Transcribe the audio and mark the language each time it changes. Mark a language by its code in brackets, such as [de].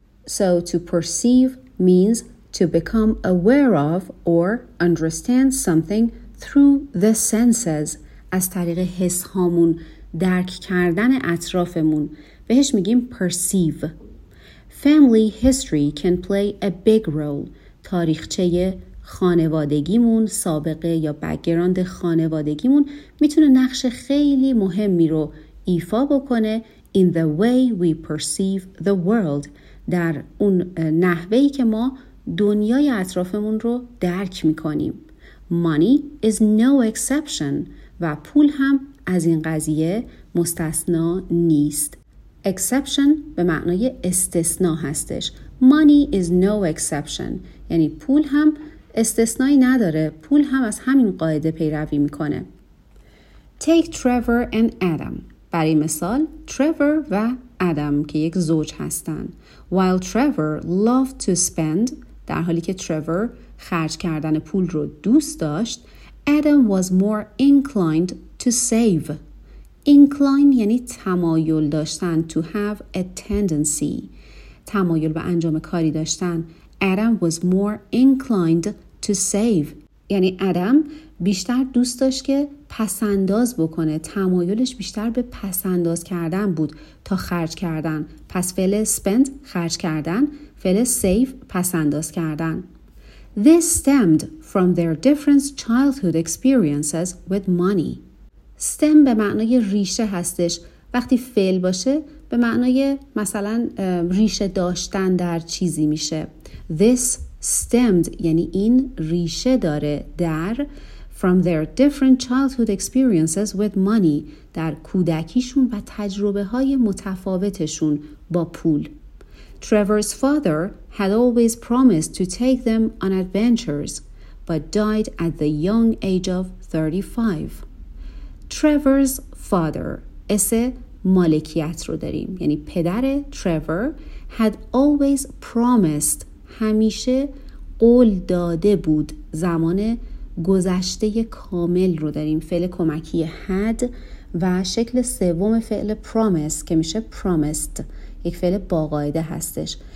[en] So to perceive means to become aware of or understand something through the senses. [fa] از طریق حس هامون درک کردن اطرافمون بهش میگیم perceive. [en] Family history can play a big role. [fa] تاریخچه خانوادگیمون، سابقه یا بک‌گراند خانوادگیمون میتونه نقش خیلی مهمی رو ایفا بکنه [en] in the way we perceive the world. [fa] در اون نحوهی که ما دنیای اطرافمون رو درک میکنیم. [en] Money is no exception. [fa] و پول هم از این قضیه مستثنا نیست. Exception به معنای استثنا هستش. [en] Money is no exception. [fa] یعنی پول هم استثنایی نداره. پول هم از همین قاعده پیروی میکنه. [en] Take Trevor and Adam. [fa] برای مثال، Trevor و Adam که یک زوج هستن. [en] While Trevor loved to spend، [fa] در حالی که Trevor خرج کردن پول رو دوست داشت، [en] Adam was more inclined to save. [fa] Inclined یعنی تمایل داشتن. [en] To have a tendency. [fa] تمایل به انجام کاری داشتن. [en] Adam was more inclined to save. [fa] یعنی Adam بیشتر دوست داشت که پسنداز بکنه. تمایلش بیشتر به پسنداز کردن بود تا خرج کردن. پس فعل spend خرج کردن. فعل save پسنداز کردن. [en] This stemmed from their different childhood experiences with money. [fa] Stem به معنای ریشه هستش. وقتی فعل باشه به معنای مثلا ریشه داشتن در چیزی میشه. [en] This stemmed [fa] یعنی این ریشه داره در [en] from their different childhood experiences with money [fa] در کودکیشون و تجربه های متفاوتشون با پول. [en] Trevor's father had always promised to take them on adventures, but died at the young age of 35. [fa] Trevor's father, اسم مالکیت رو داریم. یعنی پدر Trevor [en] had always promised, [fa] همیشه قول داده بود زمان گذشته کامل رو داریم، فعل کمکی had، و شکل سوم فعل promise که میشه promised، یک فعل باقاعده هستش.